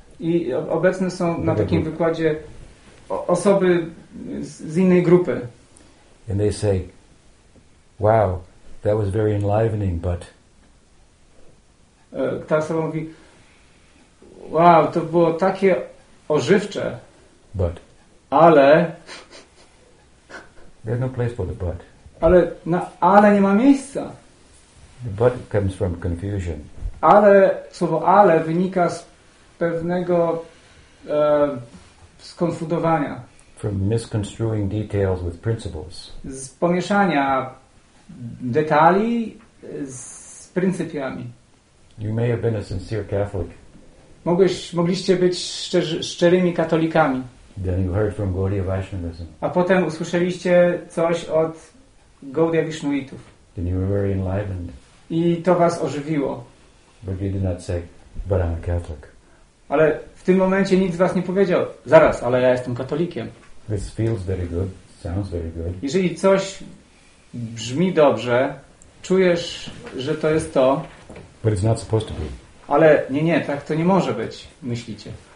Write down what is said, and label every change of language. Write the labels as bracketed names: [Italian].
[Polish] I obecne są na takim wykładzie osoby z innej grupy. [English] And they say, wow, that was very enlivening, but... [Polish] Ta osoba mówi, wow, to było takie ożywcze. [English] But. [Polish] Ale... [English] There's no place for the but. [Polish] Ale, na ale nie ma miejsca. [English] The but comes from confusion. [Polish] Ale, słowo ale wynika z pewnego skonfundowania. [English] From misconstruing details with principles. [Polish] Z pomieszania detali z pryncypiami. [English] You may have been a sincere Catholic. [Polish] Mogliście być szczerymi katolikami. [English] Then you heard from Gaudiya Vaishnavism. [Polish] A potem usłyszeliście coś od Gaudiya Vishnuitów. [English] Then you were very enlivened. [Polish] I to was ożywiło. [English] But you did not say, but I'm a Catholic. [Polish] Ale w tym momencie nic z was nie powiedział. Zaraz, ale ja jestem katolikiem. [English] This feels very good. Sounds very good. [Polish] Jeżeli coś brzmi dobrze, czujesz, że to jest to. [English] But it's not supposed to be. [Polish] Ale nie, tak to nie może być, myślicie.